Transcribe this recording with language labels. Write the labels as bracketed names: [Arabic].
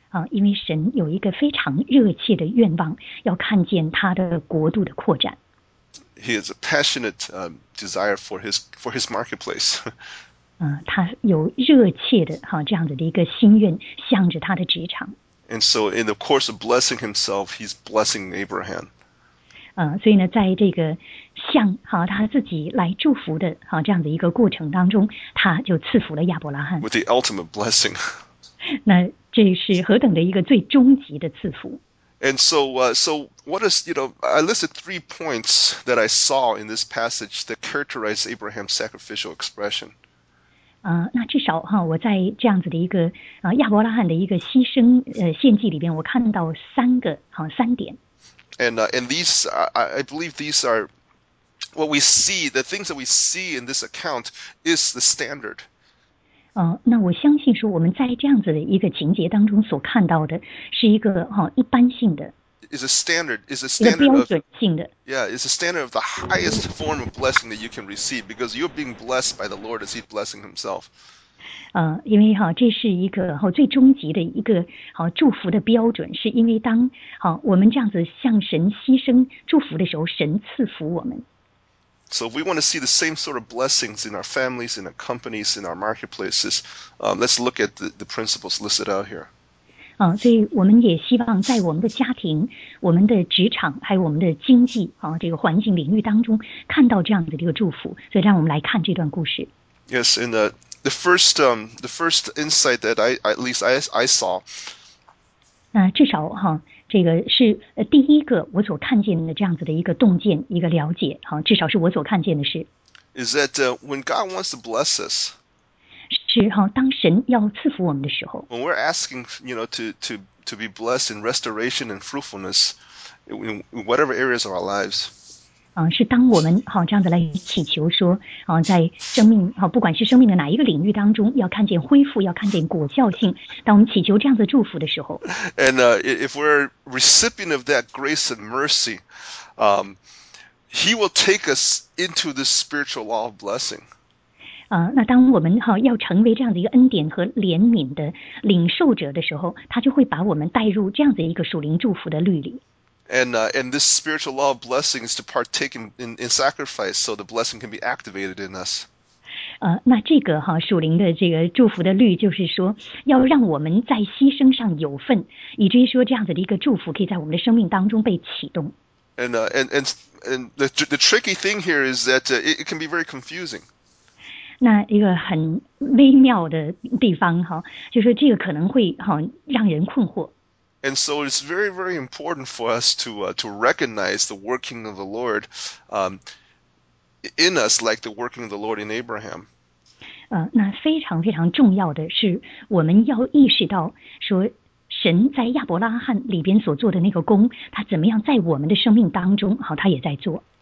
[Chinese] 因为神有一个非常热切的愿望要看见他的国度的扩展。 [English] He has a passionate desire for his marketplace. [Chinese] 他有热切的这样子的一个心愿向着他的职场。 [English] And so in the course of blessing himself, he's blessing Abraham. [Chinese] 所以呢在这个向他自己来祝福的这样的一个过程当中他就赐福了亚伯拉罕。 [English] With the ultimate blessing. [Chinese] 那这是何等的一个最终极的赐福。 [English] And so, what is, you know, I listed three points that I saw in this passage that characterize Abraham's sacrificial expression. [Chinese] 那至少我在这样子的一个亚伯拉罕的一个牺牲献祭里边我看到三个三点。 [English] And these, I believe these are what we see, the things that we see in this account is the standard. [Chinese] 那我相信说我们在这样子的一个情节当中所看到的是一个一般性的。 [English] It's a standard of the highest form of blessing that you can receive because you're being blessed by the Lord as he's blessing himself. [Chinese] 因为这是一个最终极的一个祝福的标准是因为当我们这样子向神牺牲祝福的时候神赐福我们。 [English] So if we want to see the same sort of blessings in our families, in our companies, in our marketplaces, let's look at the principles listed out here. [Chinese] 所以我们也希望在我们的家庭、我们的职场、还有我们的经济这个环境领域当中看到这样子的一个祝福。所以让我们来看这段故事。 [English] Yes, in the first insight that I saw. [Chinese] 至少这个是第一个我所看见的这样子的一个洞见一个了解至少是我所看见的是。 [English] Is that when God wants to bless us? [Chinese] 是哈，当神要赐福我们的时候。 [English] When we're asking, you know, to be blessed in restoration and fruitfulness in whatever areas of our lives. [Chinese] 是当我们好这样子来祈求说，在生命好不管是生命的哪一个领域当中，要看见恢复，要看见果效性。当我们祈求这样子祝福的时候 [English] ，And if we're recipient of that grace and mercy, He will take us into the spiritual law of blessing. [Chinese] 那当我们好要成为这样的一个恩典和怜悯的领受者的时候，他就会把我们带入这样子一个属灵祝福的律里。 [English] And this spiritual law of blessing is to partake in sacrifice so the blessing can be activated in us. [Chinese] 那这个哈属灵的这个祝福的律就是说要让我们在牺牲上有份，以至于说这样子的一个祝福可以在我们的生命当中被启动。 [English] And the tricky thing here is that it can be very confusing. [Chinese] 那一个很微妙的地方哈，就是这个可能会哈让人困惑。 [English] And so it's very, very important for us to recognize the working of the Lord in us like the working of the Lord in Abraham. [Chinese] 那非常非常重要的是我们要意识到说神在亚伯拉罕里边所做的那个工，他怎么样在我们的生命当中，好，他也在做。